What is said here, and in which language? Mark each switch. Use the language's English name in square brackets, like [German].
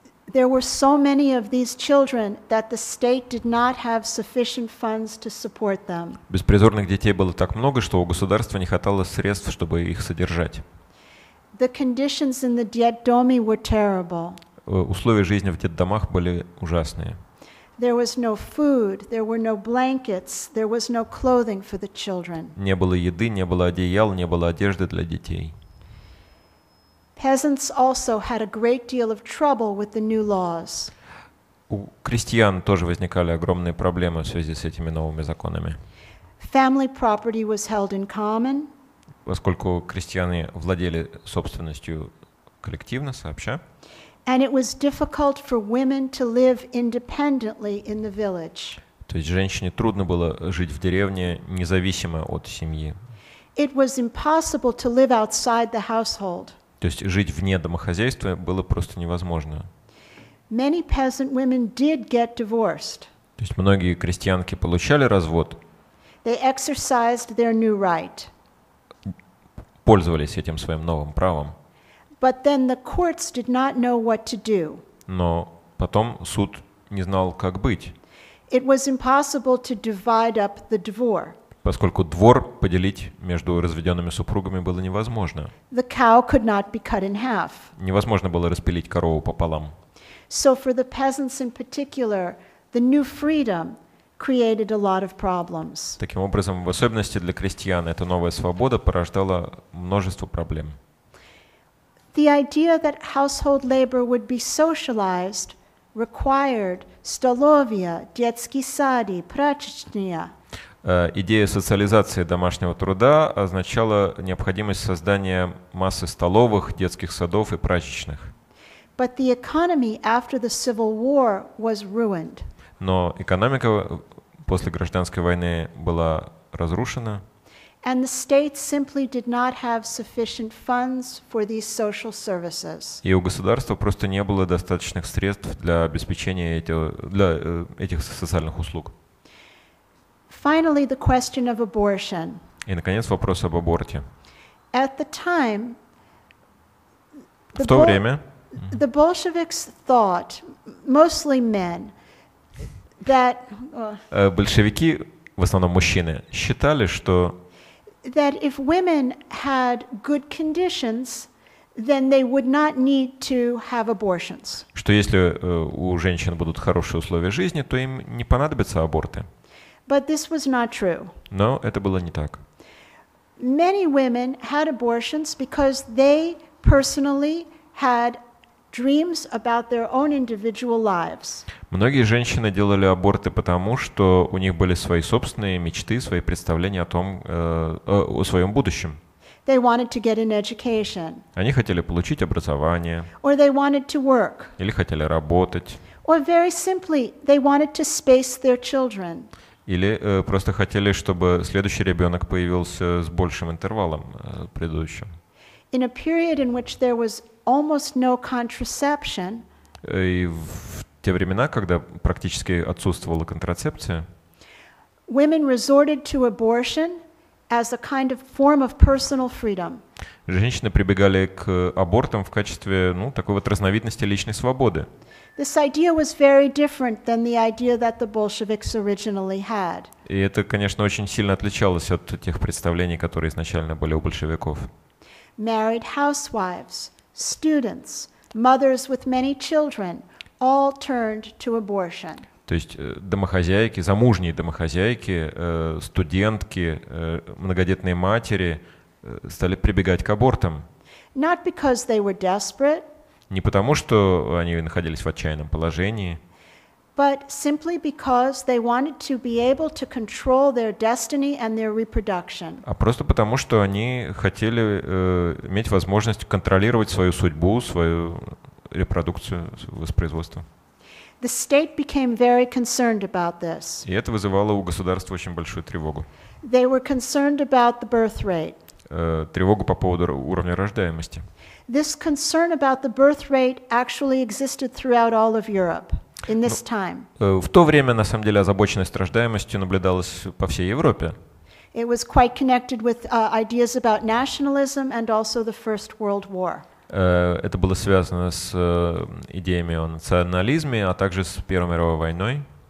[English] There were so many of these children that the state did not have sufficient funds to support them. [Russian] Беспризорных детей было так много, что у государства не хватало средств, чтобы их содержать. [English] The conditions in the детдоме were terrible. [Russian] Условия жизни в детдомах были ужасные. [English] There was no food, there were no blankets, there was no clothing for the children. [Russian] Не было еды, не было одеял, не было одежды для детей. [English] Peasants also had a great deal of trouble with the new laws. [Russian] У крестьян тоже возникали огромные проблемы в связи с этими новыми законами. [English] Family property was held in common. [Russian] Поскольку крестьяне владели собственностью коллективно, сообща. [English] And it was difficult for women to live independently in the village. [Russian] То есть женщине трудно было жить в деревне независимо от семьи. [English] It was impossible to live outside the household. [Russian] То есть жить вне домохозяйства было просто невозможно. [English] Many peasant women did get divorced. [Russian] То есть многие крестьянки получали развод. [English] They exercised their new right. [Russian] Пользовались этим своим новым правом. [English] But then the courts did not know what to do. [Russian] Но потом суд не знал, как быть. [English] It was impossible to divide up the двор. [Russian] Поскольку двор поделить между разведенными супругами было невозможно. [English] The cow could not be cut in half. [Russian] Невозможно было распилить корову пополам. [English] So for the peasants in particular, the new freedom created a lot of problems. [Russian] Таким образом, в особенности для крестьян, эта новая свобода порождала множество проблем. [English] The idea that household labor would be socialized required [Russian] столовья, детские сады, прачечные. Идея социализации домашнего труда означала необходимость создания массы столовых, детских садов и прачечных. [English] But the economy after the Civil War was ruined. [Russian] Но экономика после гражданской войны была разрушена. [English] And the state simply did not have sufficient funds for these social services. [Russian] И у государства просто не было достаточных средств для обеспечения этих социальных услуг. [English] Finally, the question of abortion. [Russian] И, наконец, вопрос об аборте. [English] At the time, [Russian] в то время, [English] the Bolsheviks thought, mostly men, that [Russian] большевики, в основном мужчины, считали, что [English] that if women had good conditions, then they would not need to have abortions. [Russian] Что если у женщин будут хорошие условия жизни, то им не понадобятся аборты. [English] But this was not true. [Russian] Но это было не так. [English] Many women had abortions because they personally had dreams about their own individual lives. [Russian] Многие женщины делали аборты потому, что у них были свои собственные мечты, свои представления о том, о своем будущем. [English] They wanted to get an education. [Russian] Они хотели получить образование. [English] Or they wanted to work. [Russian] Или хотели работать. [English] Or very simply, they wanted to space their children. [Russian] Или просто хотели, чтобы следующий ребенок появился с большим интервалом предыдущим. [English] In a period in which there was almost no contraception, [Russian] и в те времена, когда практически отсутствовала контрацепция, [English] Women resorted to abortion as a kind of form of personal freedom. [Russian] Женщины прибегали к абортам в качестве, ну, такой вот разновидности личной свободы. [English] This idea was very different than the idea that the Bolsheviks originally had. [Russian] И это, конечно, очень сильно отличалось от тех представлений, которые изначально были у большевиков. [English] Married housewives, students, mothers with many children all turned to abortion. [Russian] То есть домохозяйки, замужние домохозяйки, студентки, многодетные матери стали прибегать к абортам. [English] Not because they were desperate. [Russian] Не потому, что они находились в отчаянном положении. [English] But simply because they wanted to be able to control their destiny and their reproduction. [Russian] А просто потому, что они хотели иметь возможность контролировать свою судьбу, свою репродукцию, воспроизводство. [English] The state became very concerned about this. [Russian] И это вызывало у государства очень большую тревогу. [English] They were concerned about the birth rate. [Russian] Тревогу по поводу уровня рождаемости. [English] This concern about the birth rate actually existed throughout all of Europe in this time. [Russian] В то время, на самом деле, озабоченность рождаемостью наблюдалась по всей Европе. [English] It was quite connected with ideas about nationalism and also the First World War. [Russian] Это было связано с идеями о национализме, а также с Первой мировой войной.